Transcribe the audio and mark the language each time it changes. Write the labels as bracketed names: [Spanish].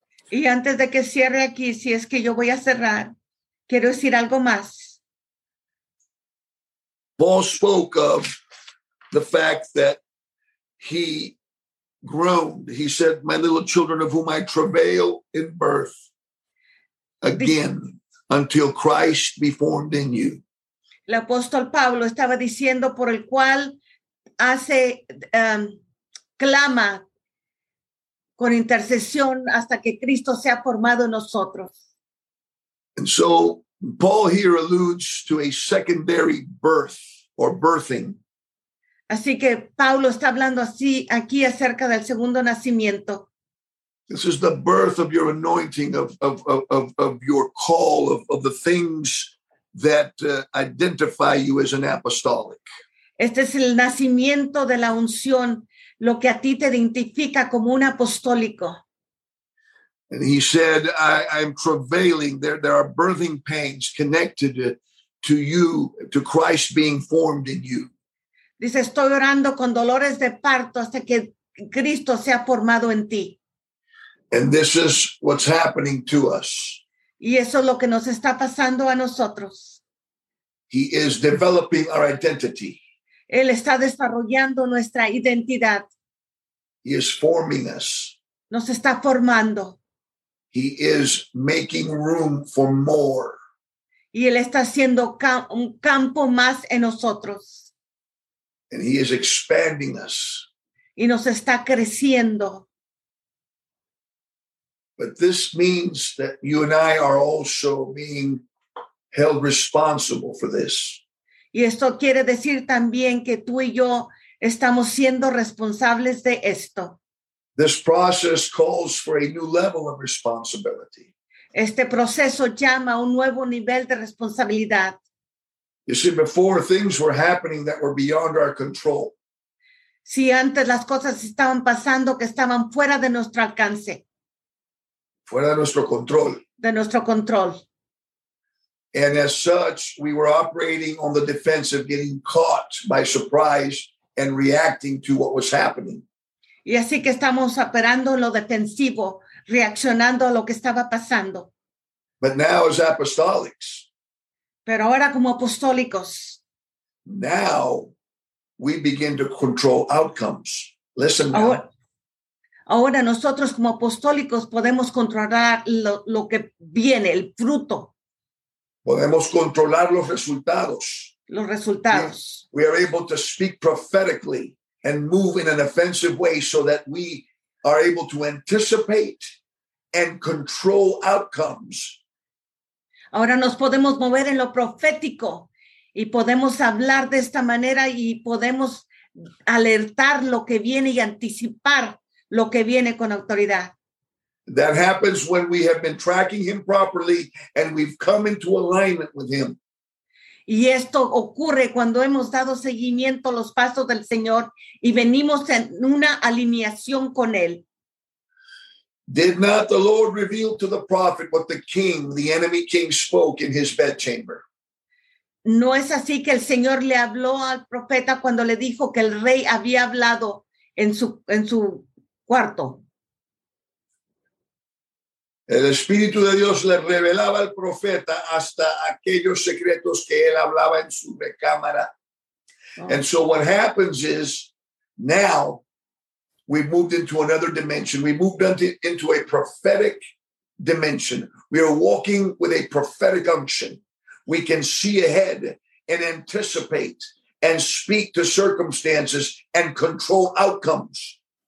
[Spanish] Y antes de que cierre aquí, si es que yo voy a cerrar, quiero decir algo más. [English] Paul spoke of the fact that he groaned. He said, my little children of whom I travail in birth again until Christ be formed in you. [Spanish] El apóstol Pablo estaba diciendo por el cual hace, clama, con intercesión hasta que Cristo sea formado en nosotros. [English] And so Paul here alludes to a secondary birth or birthing. [Spanish] Así que Pablo está hablando así aquí acerca del segundo nacimiento. [English] This is the birth of your anointing, of your call, of the things that identify you as an apostolic. [Spanish] Este es el nacimiento de la unción, lo que a ti te identifica como un apostólico. [English] And he said, I'm travailing. There are birthing pains connected to you, to Christ being formed in you. [Spanish] Dice, estoy orando con dolores de parto hasta que Cristo sea formado en ti. [English] And this is what's happening to us. [Spanish] Y eso es lo que nos está pasando a nosotros. [English] He is developing our identity. [Spanish] Él está desarrollando nuestra identidad. [English] He is forming us. [Spanish] Nos está formando. [English] He is making room for more. [Spanish] Y él está haciendo un campo más en nosotros. [English] And he is expanding us. [Spanish] Y nos está creciendo. [English] But this means that you and I are also being held responsible for this. [Spanish] Y esto quiere decir también que tú y yo estamos siendo responsables de esto. [English] This process calls for a new level of responsibility. [Spanish] Este proceso llama a un nuevo nivel de responsabilidad. [English] You see, before things were happening that were beyond our control. [Spanish] Si antes las cosas estaban pasando que estaban fuera de nuestro alcance. Fuera de nuestro control. De nuestro control. [English] And as such, we were operating on the defensive, getting caught by surprise and reacting to what was happening. [Spanish] Y así que estamos operando en lo defensivo, reaccionando a lo que estaba pasando. [English] But now as apostolics. [Spanish] Pero ahora como apostólicos. [English] Now we begin to control outcomes. Listen now. [Spanish] Ahora nosotros como apostólicos podemos controlar lo que viene, el fruto. Podemos controlar los resultados. Los resultados. [English] We are able to speak prophetically and move in an offensive way so that we are able to anticipate and control outcomes. [Spanish] Ahora nos podemos mover en lo profético y podemos hablar de esta manera y podemos alertar lo que viene y anticipar lo que viene con autoridad. [English] That happens when we have been tracking him properly and we've come into alignment with him. [Spanish] Y esto ocurre cuando hemos dado seguimiento a los pasos del Señor y venimos en una alineación con él. [English] Did not the Lord reveal to the prophet what the king, the enemy king, spoke in his bedchamber? [Spanish] No es así que el Señor le habló al profeta cuando le dijo que el rey había hablado en su cuarto. El Espíritu de Dios le revelaba al profeta hasta aquellos secretos que él hablaba en su recámara. Oh. [English] And so what happens is now we've moved into another dimension. We moved into a prophetic dimension. We are walking with a prophetic unction. We can see ahead and anticipate and speak to circumstances and control outcomes.